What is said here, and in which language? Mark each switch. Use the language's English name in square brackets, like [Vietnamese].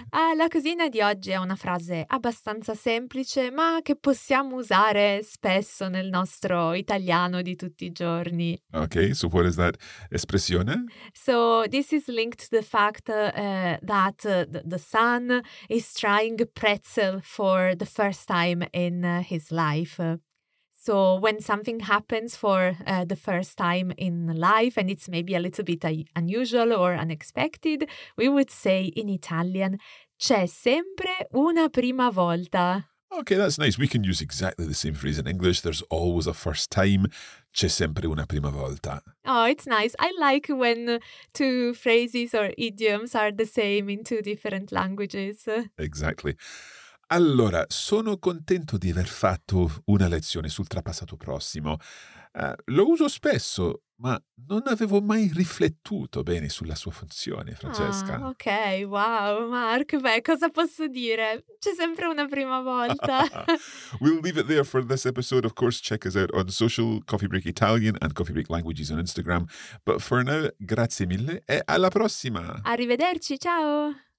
[Italian] Ah, la cosina di oggi è una frase abbastanza semplice, ma che possiamo usare spesso nel nostro italiano di tutti I giorni. [English] Ok, so what is that espressione? So this is linked to the fact that the son is trying pretzel for the first time in his life. So when something happens for the first time in life and it's maybe a little bit unusual or unexpected, we would say in Italian, [Italian] c'è sempre una prima volta. [English] Okay, that's nice. We can use exactly the same phrase in English. There's always a first time. [Italian] C'è sempre una prima volta. [English] Oh, it's nice. I like when two phrases or idioms are the same in two different languages. Exactly. [Italian] Allora, sono contento di aver fatto una lezione sul trapassato prossimo. Lo uso spesso, ma non avevo mai riflettuto bene sulla sua funzione, Francesca. Ah, ok, wow, Mark, beh, cosa posso dire? C'è sempre una prima volta. [English] We'll leave it there for this episode. Of course, check us out on social, Coffee Break Italian and Coffee Break Languages on Instagram. But for now, [Italian] grazie mille e alla prossima! Arrivederci, ciao!